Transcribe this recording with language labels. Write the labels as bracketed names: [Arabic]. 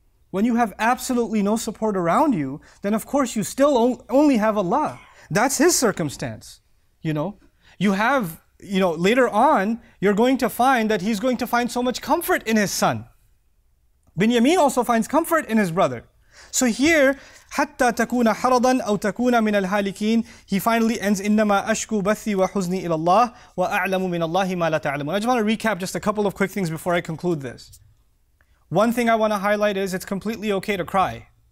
[English] When you have absolutely no support around you, then of course you still only have Allah. That's his circumstance. You know, later on, you're going to find that he's going to find so much comfort in his son. Binyamin also finds comfort in his brother. [Arabic] So here, حَتَّى تَكُونَ حَرَضًا أَوْ تَكُونَ مِنَ الْهَالِكِينَ. [English] He finally ends, [Arabic] إِنَّمَا أَشْكُو بَثِّي وَحُزْنِي إِلَى اللَّهِ وَأَعْلَمُ مِنَ اللَّهِ مَا لَا تَعْلَمُونَ. [English] I just want to recap just a couple of quick things before I conclude this. One thing I want to highlight is, it's completely okay to cry.